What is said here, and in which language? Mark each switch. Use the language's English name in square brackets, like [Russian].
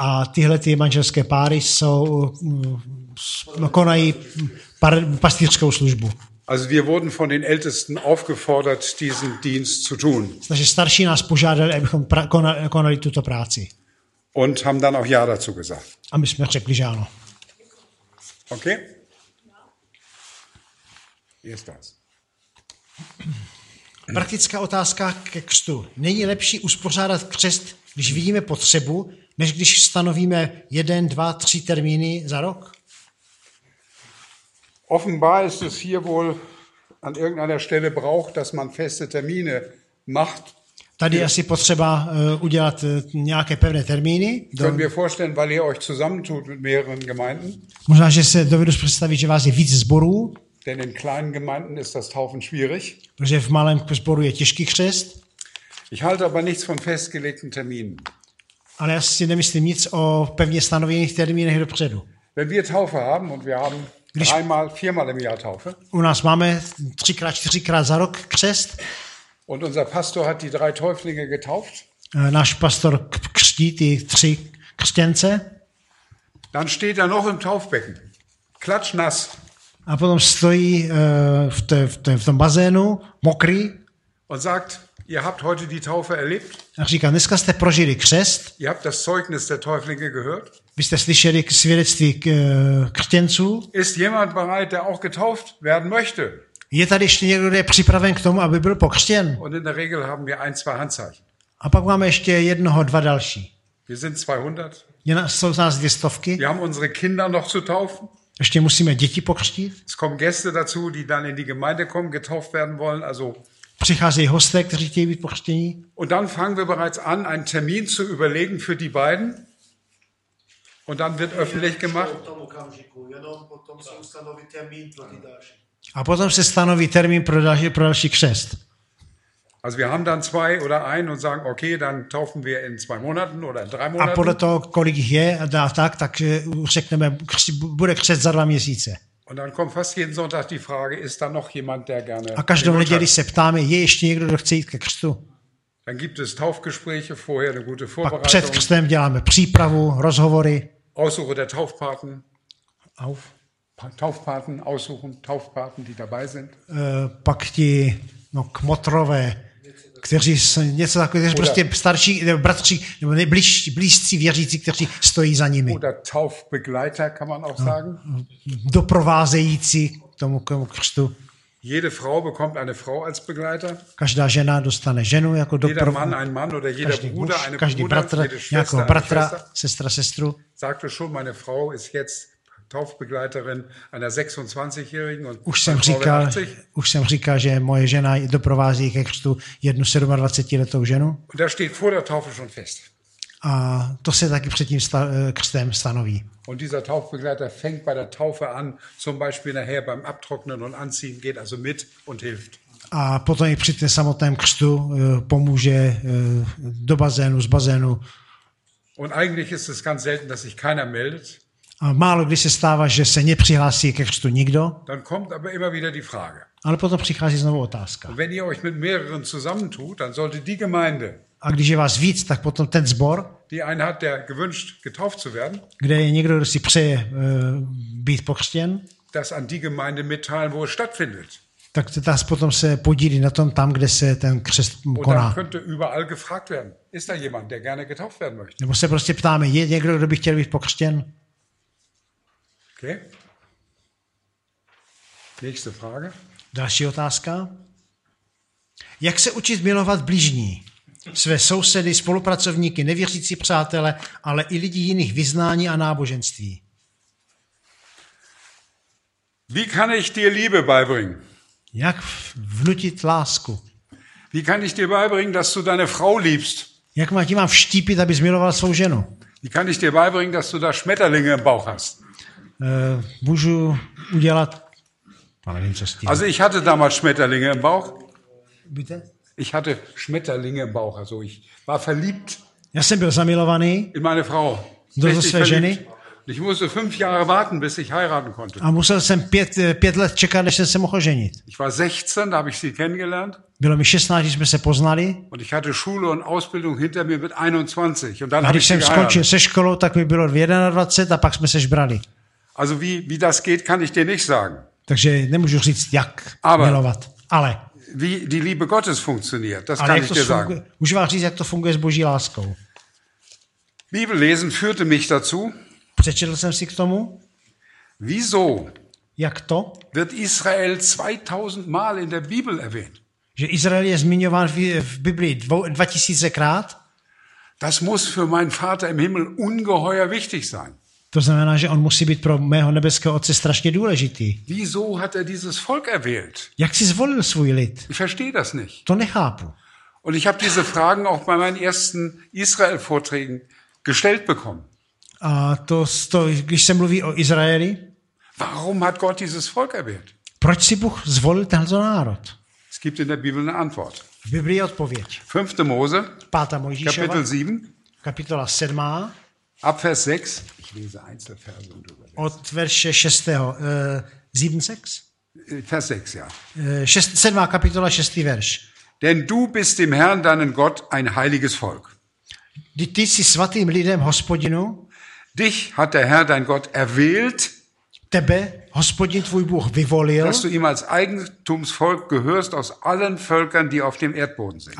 [Czech] A tyhle ty manželské páry jsou, no, konají pastýřskou službu. [German] Also wir wurden von den Ältesten aufgefordert, diesen Dienst zu tun. [Czech] Takže starší nás požádali, abychom konali tuto práci. [German] Und haben dann auch ja dazu gesagt. [Czech] A my jsme řekli, že ano. Okay. [German] Jest das. [Czech] Praktická otázka ke křtu. Není lepší uspořádat křest, když vidíme potřebu, než když stanovíme jeden, dva, tři termíny za rok? [German] Offenbar ist es hier wohl an irgendeiner Stelle braucht, dass man feste Termine macht. [Czech] Tady je asi potřeba udělat nějaké pevné termíny. [German] Können wir vorstellen, weil ihr euch zusammentut mit mehreren Gemeinden. [Czech] Možná, že se dovedu představit, že vás je víc zborů. [German] Denn in kleinen Gemeinden ist das Taufen schwierig. [Czech] Protože v malém zboru je těžký křest. [German] Ich halte aber nichts von festgelegten Terminen. [Czech] Ale já si nemyslím nic o pevně stanovených termínech dopředu. [German] Wenn wir Taufe haben und wir haben dreimal, viermal im Jahr Taufe. [Czech] U nás máme třikrát, čtyřikrát za rok křest. [German] Und unser Pastor hat die drei Täuflinge getauft. [Czech] Náš pastor křtí ty tři křtěnce. [German] Dann steht er noch im Taufbecken. Klatschnass. [Czech] A potom stojí v tom bazénu, mokrý. [German] Und sagt, ihr habt heute die Taufe erlebt. [Czech] A říká, dneska jste prožili křest. [German] Ihr habt das Zeugnis der Täuflinge gehört. [Czech] Vy jste slyšeli svědectví křtěnců. [German] Ist jemand bereit, der auch getauft werden möchte? [Czech] Je tady ještě někdo, kdo je připraven k tomu, aby byl pokřtěn? [German] Und in der Regel haben wir ein, zwei Handzeichen. [Czech] A pak máme ještě jednoho, dva další. [German] Wir sind 200. [Czech] Jsou z nás dvě stovky. [German] Wir haben unsere Kinder noch zu taufen. [Czech] Ještě musíme děti pokřtít. [German] Es kommen Gäste dazu, die dann in die Gemeinde kommen, getauft werden wollen, also [Czech] přicházejí hosté, kteří chtějí být pokřtění. [German] Und dann fangen wir bereits an, einen Termin zu überlegen für die beiden. Und dann wird öffentlich gemacht. [Czech] A potom se stanoví termín pro další křest. [German] Also wir haben dann zwei oder ein und sagen, okay, dann taufen wir in zwei Monaten oder in drei Monaten. [Czech] A podle toho, kolik jich je, tak řekneme, bude křest za dva měsíce. [German] Und dann kommt fast jeden Sonntag die Frage, ist da noch jemand, der gerne... [Czech] A každou neděli se ptáme, je ještě někdo, kdo chce jít ke křtu? [German] Dann gibt es Taufgespräche, vorher eine gute Vorbereitung. [Czech] Pak před křtem děláme přípravu, rozhovory. [German] Aussuche der Taufpaten. Taufpaten aussuchen, Taufpaten, die dabei sind. [Czech] Pak ti, no, kmotrové, kteří jsou něco takové, kteří prostě starší, nebo bratři, nebo blízcí věřící, kteří stojí za nimi. [German] Oder Taufbegleiter, kann man auch sagen. [Czech] No, doprovázející tomu křtu. [German] Jede Frau bekommt eine Frau als Begleiter. [Czech] Každá žena dostane ženu jako doprovod. [German] Jeder Mann, ein Mann oder jeder [Czech] každý [German] Bruder, eine [Czech] každý [German] Bruder, [Czech] bratr, [German] jede [Czech] bratra, sestra, sestru. [German] Sagte schon, meine Frau ist jetzt Taufbegleiterin einer 26-jährigen und [Czech] už jsem říkal, že moje žena doprovází ke křtu jednu 27-letou ženu. [German] Und da steht vor der Taufe schon fest. [Czech] A to se taky před tím křtem stanoví. [German] Und dieser Taufbegleiter fängt bei der Taufe an, zum Beispiel nachher beim Abtrocknen und Anziehen, geht also mit und hilft. [Czech] A potom i při tom samotném křtu pomůže do bazénu, z bazénu. [German] Und eigentlich ist es ganz selten, dass sich keiner meldet. [Czech] A málo kdy se stává, že se nepřihlásí ke křtu nikdo. [German] Dann kommt aber immer wieder die Frage. [Czech] Ale potom přichází znovu otázka. [German] Und wenn ihr euch mit mehreren zusammentut, dann sollte die Gemeinde. [Czech] A když je vás víc, tak potom ten sbor. [German] Die einen hat der gewünscht getauft zu werden. [Czech] Kde je někdo, kdo si přeje být pokřtěn. [German] Das an die Gemeinde mitteilen, wo es stattfindet. [Czech] Tak das potom se podílí na tom tam, kde se ten křest koná. [German] Und könnte überall gefragt werden. Ist da jemand, der gerne getauft werden möchte? [Czech] Nebo se prostě ptáme, je někdo, kdo by chtěl být pokřtěn? Okay. [German] Nächste Frage. [Czech] Další otázka. Jak se učit milovat bližní? Své sousedy, spolupracovníky, nevěřící přátele, ale i lidi jiných vyznání a náboženství. [German] Wie kann ich dir Liebe beibringen? [Czech] Jak vnutit lásku? [German] Wie kann ich dir beibringen, dass du deine Frau liebst? [Czech] Jak ti mám vštípit, abys miloval svou ženu? [German] Wie kann ich dir beibringen, dass du da Schmetterlinge im Bauch hast? [Czech] Můžu udělat... [German] Also ich hatte damals Schmetterlinge im Bauch. Bitte? Ich hatte Schmetterlinge im Bauch, also ich war verliebt. [Czech] Já jsem byl zamilovaný. [German] In meine Frau. [Czech] Do své [German] verliebt. [Czech] Ženy. [German] Ich musste 5 Jahre warten, bis ich heiraten konnte. [Czech] A musel jsem 5 let čekat, než jsem se mohl ženit. [German] Ich war 16, da habe ich sie kennengelernt. [Czech] Bylo mi 16, když jsme se poznali. [German] Und ich hatte Schule und Ausbildung hinter mir mit 21 und dann [Czech] a když jsem skončil se školou, tak mi bylo 21 a pak jsme se žbrali. [German] Also wie das geht, kann ich dir nicht sagen. [Czech] Takže nemůžu říct jak [German] aber, [Czech] milovat, ale [German] wie die Liebe Gottes funktioniert, das kann ich dir sagen. [Czech] Můžu vám říct, jak to funguje s Boží láskou. [German] Bibel lesen führte mich dazu. [Czech] Přečetl jsem si k tomu. [German] Wieso? [Czech] Jak to? [German] Wird Israel 2000 Mal in der Bibel erwähnt? [Czech] Že Izrael je zmiňován v Biblii 2000krát? [German] Das muss für meinen Vater im Himmel ungeheuer wichtig sein. [Czech] To znamená, že on musí být pro mého nebeského otce strašně důležitý. [German] Wieso hat er dieses Volk erwählt? [Czech] Jak si zvolil svůj lid? [German] Ich verstehe das nicht. [Czech] To nechápu. [German] Und ich habe diese Fragen auch bei meinen ersten Israel-Vorträgen gestellt bekommen. [Czech] A to když se mluví o Izraeli? [German] Warum hat Gott dieses Volk erwählt? [Czech] Proč si Bůh zvolil tento národ? [German] Es gibt in der Bibel eine Antwort. [Czech] V Biblii je odpověď. [German] 5. Mose, [Czech] Pátá Mojžíšova, [German] Kapitel 7, [Czech] kapitola 7, [German] ab Vers 6, ich lese Einzelverse und [Czech] od verše 6. 7-6? [German] Vers 6, ja. [Czech] 7. kapitola 6. verš. [German] Denn du bist dem Herrn, deinen Gott, ein heiliges Volk. [Czech] Ty jsi svatým lidem, Hospodinu. [German] Dich hat der Herr, dein Gott, erwählt. [Czech] Tebe, Hospodin, tvůj Bůh vyvolil. [German] Dass du ihm als Eigentumsvolk gehörst aus allen Völkern, die auf dem Erdboden sind.